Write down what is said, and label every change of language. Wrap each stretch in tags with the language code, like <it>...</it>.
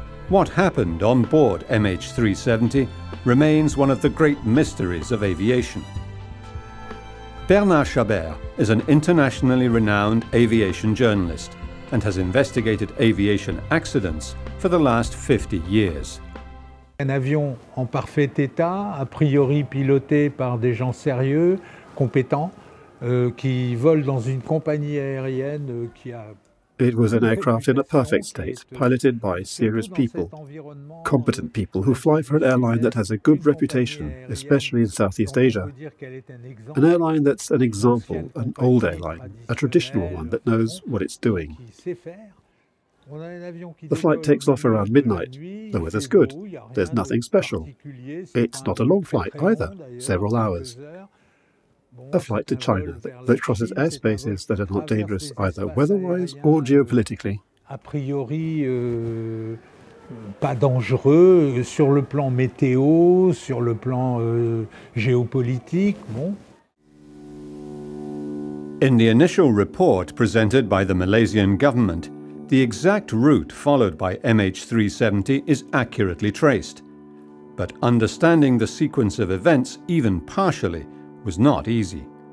<en>What happened on board MH370 remains one of the great mysteries of aviation. Bernard Chabert is an internationally renowned aviation journalist and has investigated aviation accidents for the last 50 years.</en> <fr>Un avion en parfait état, a priori piloté par des gens sérieux, compétents, qui volent dans une compagnie aérienne qui a...</fr> <en>It was an aircraft in a perfect state, piloted by serious people, competent people who fly for an airline that has a good reputation, especially in Southeast Asia. An airline that's an example, an old airline, a traditional one that knows what it's doing. The flight takes off around midnight. The weather's good. There's nothing special. It's not a long flight either, several hours. A flight to China that crosses airspaces that are not dangerous either weather-wise or geopolitically.</en> <fr>A priori, pas dangereux sur le plan météo, sur le plan géopolitique. Bon.</fr> <en>In the initial report presented by the Malaysian government, the exact route followed by MH370 is accurately traced. But understanding the sequence of events, even partially, was not easy.</en>